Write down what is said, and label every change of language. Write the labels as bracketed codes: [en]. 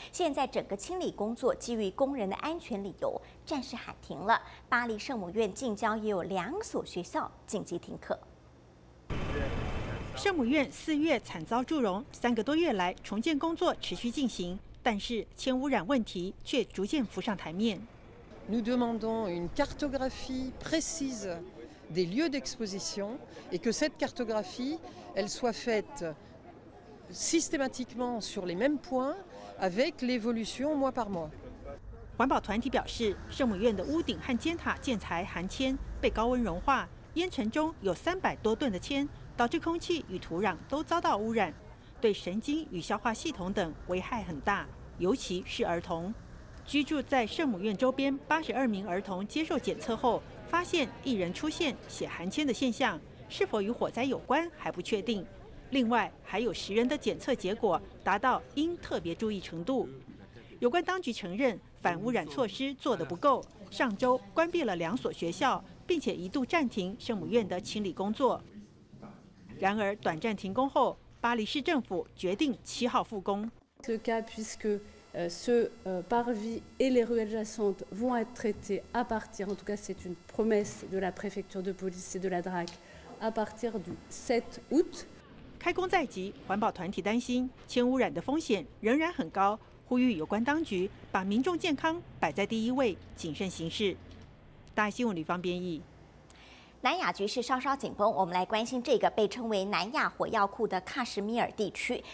[zh] 现在整个清理工作基于工人的安全理由暂时喊停了。巴黎圣母院近郊也有两所学校紧急停课。圣母院四月惨遭祝融，三个多月来重建工作持续进行。但是铅污染问题却逐渐浮上台面。 [fr] Nous demandons une cartographie précise des lieux d'exposition et que cette cartographie elle soit faite systématiquement sur les mêmes points avec l'évolution mois par mois。 [zh] 环保团体表示，圣母院的屋顶和尖塔建材含铅，被高温融化，烟尘中有300多吨的铅，导致空气与土壤都遭到污染。对神经与消化系统等危害很大，尤其是儿童。居住在圣母院周边82名儿童接受检测后，发现一人出现血含铅的现象，是否与火灾有关还不确定。另外还有10人的检测结果达到应特别注意程度。有关当局承认反污染措施做得不够，上周关闭了两所学校，并且一度暂停圣母院的清理工作。然而短暂停工后，巴黎市政府决定七号复工。 [fr] Ce cas, puisque ce parvis et les ruelles jacentes vont être traités à partir, en tout cas, c'est une promesse de la préfecture de police et de la DRAC, à partir du 7 août. [zh] 开工在即，环保团体担心铅污染的风险仍然很高，呼吁有关当局把民众健康摆在第一位，谨慎行事。大新闻李芳编译。南亚局势稍稍紧绷，我们来关心这个被称为南亚火药库的喀什米尔地区。